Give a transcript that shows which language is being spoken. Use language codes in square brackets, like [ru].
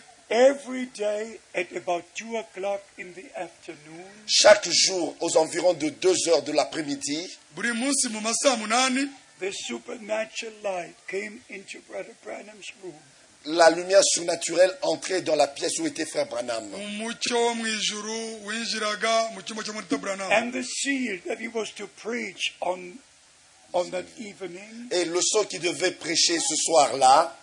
[en] every day at about 2 o'clock in the afternoon. [fr] Chaque jour aux environs de 2 heures de l'après-midi. [en] The supernatural light came into Brother Branham's room. [fr] La lumière surnaturelle entrait dans la pièce où était Frère Branham. [en] And the seal that he was to preach on that evening. [fr] Et le sceau qui devait prêcher ce soir-là.